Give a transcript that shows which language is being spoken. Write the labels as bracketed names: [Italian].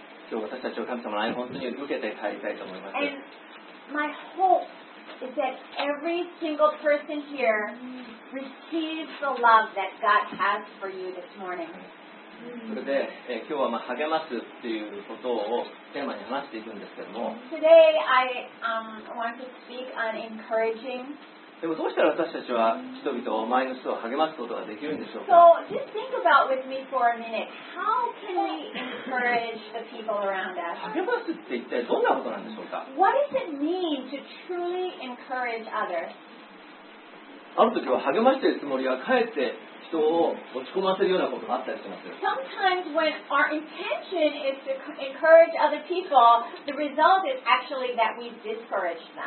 [Japanese] 今日私たちは神様の愛を本当に受けて帰りたいと思います。 [English] And my hope is that every single person here receives the love that God has for you this morning. [Japanese] それで今日は励ますっていうことをテーマに話していくんですけども。 [English] Today I want to speak on encouraging. [Japanese] でもどうしたら私たちは人々を周りの人を励ますことができるんでしょうか。 [English] So just think about with me for a minute. How can we encourage the people around us? [Japanese] 励ますって一体どんなことなんでしょうか。 [English] What does it mean to truly encourage others? [Japanese] ある時は励ましているつもりはかえって人を落ち込ませるようなことがあったりします。 [English] Sometimes when our intention is to encourage other people, the result is actually that we discourage them.